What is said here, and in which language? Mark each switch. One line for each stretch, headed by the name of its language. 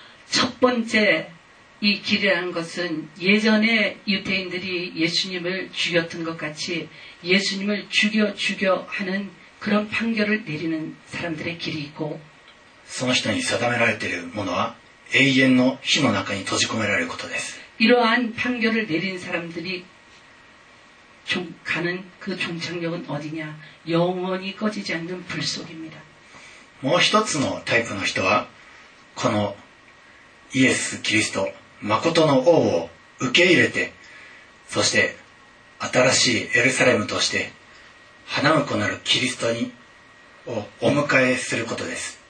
Korean: 첫번째이길이라는것은예전에유태인들이예수님을죽였던것같이예수님을죽여하는그런판결을내리는사람들의길이있고
Japanese: その人に定められているものは永遠の火の中に閉じ込められることです
Korean: 이러한판결을내린사람들이가는그종착역은어디냐영원히꺼지지않는불속입니다
Japanese: もう一つのタイプの人はこのイエス・キリスト誠の王を受け入れてそして新しいエルサレムとして花婿なるキリストにをお迎えすることです